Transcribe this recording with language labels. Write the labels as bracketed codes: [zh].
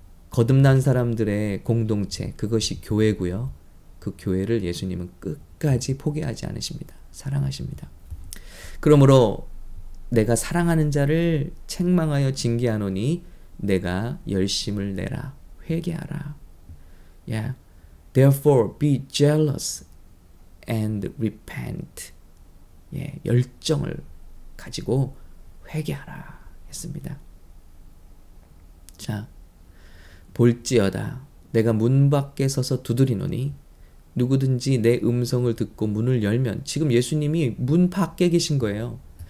[ko] 거듭난 사람들의 공동체, 그것이 교회고요. 그 교회를 예수님은 끝까지 포기하지 않으십니다. 사랑하십니다. 그러므로 내가 사랑하는 자를 책망하여 징계하노니 내가 열심을 내라. 회개하라. Yeah. [en] Therefore be jealous and repent. Yeah. [ko] 열정을 가지고 회개하라 했습니다. 자, 볼지어다 내가 문 밖에 서서 두드리노니 누구든지 내 음성을 듣고 문을 열면, 지금 예수님이 문 밖에 계신 거예요.